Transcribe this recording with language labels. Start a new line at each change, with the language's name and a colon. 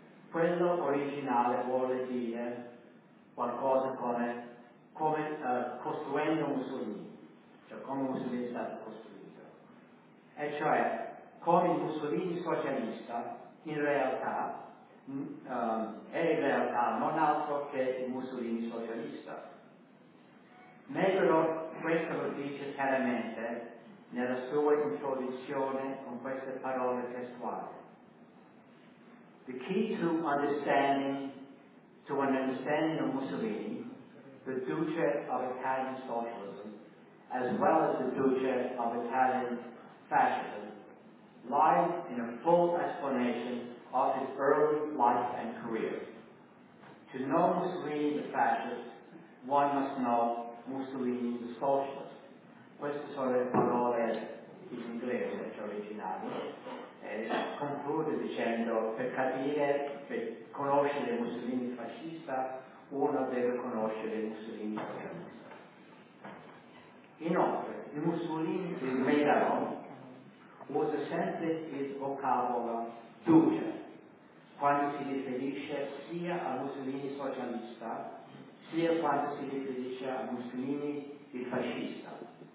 Italian: Quello originale vuole dire qualcosa come costruendo Mussolini, cioè come Mussolini è stato costruito, e cioè come il Mussolini socialista in realtà non altro che il Mussolini socialista. Meglio questo lo dice chiaramente nella sua introduzione con queste parole testuali.
English: The key to understanding of Mussolini, the duce of Italian socialism, as well as the duce of Italian fascism, lies in a full explanation of his early life and career. To know Mussolini the fascist, one must know Mussolini the socialist.
Italian: Queste sono le parole in inglese, cioè originali. Conclude dicendo, per capire, per conoscere Mussolini fascista, uno deve conoscere Mussolini socialista. Inoltre, Mussolini di Milano usa sempre il vocabolo duce, quando si riferisce sia a Mussolini socialista, sia quando si riferisce a Mussolini il fascista.